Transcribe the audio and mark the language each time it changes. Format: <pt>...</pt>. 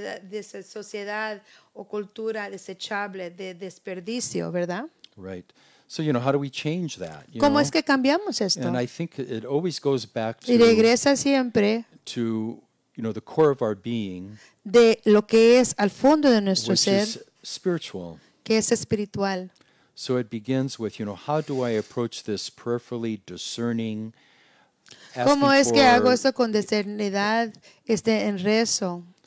<es>Esta sociedad o cultura desechable de desperdicio, ¿verdad?</es> <en>Right. So, you know, how do we change that?</en> <es>¿Cómo es que cambiamos esto?</es> <en>And I think it always goes back to...</en> <es>Y regresa siempre.</es> <en>To, you know, the core of our being.</en> <es>De lo que es al fondo de nuestro</es> <en>which</en> <es>ser.</es> <en>Which is spiritual.</en> <es>Que es espiritual.</es> <en>So it begins with, you know, how do I approach this prayerfully discerning...</en> <es>¿Cómo es que hago eso con discernidad en rezo?</es>